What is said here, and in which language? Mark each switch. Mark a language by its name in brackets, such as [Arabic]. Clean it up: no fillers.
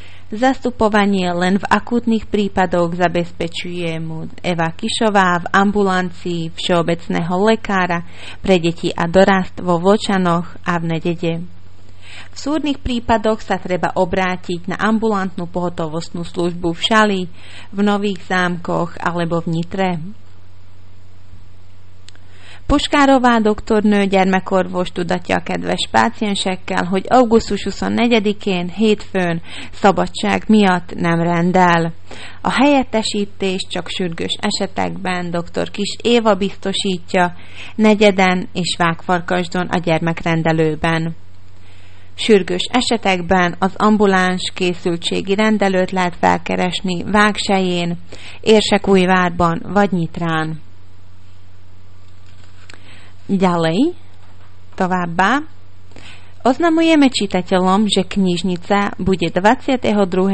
[Slovak] Zastupovanie len v akútnych prípadoch zabezpečuje mu Eva Kišová v ambulancii všeobecného lekára pre deti a dorast vo Vlčanoch a v Nedede. V súrnych prípadoch sa treba obrátiť na ambulantnú pohotovostnú službu v Šali, v Nových Zámkoch alebo v Nitre. [Hungarian] Puškárová doktornő gyermekorvos tudatja a kedves páciensekkel, hogy augusztus 24-én hétfőn szabadság miatt nem rendel. A helyettesítés csak sürgős esetekben dr. Kis Éva biztosítja Negyeden és Vágfarkasdon a gyermekrendelőben. Sürgős esetekben az ambuláns készültségi rendelőt lehet felkeresni Vágsején, Érsekújvárban vagy Nyitrán. [Slovak] Ďalej, [Hungarian] továbbá, [Slovak] oznamujeme čitateľom, že knižnica bude 22.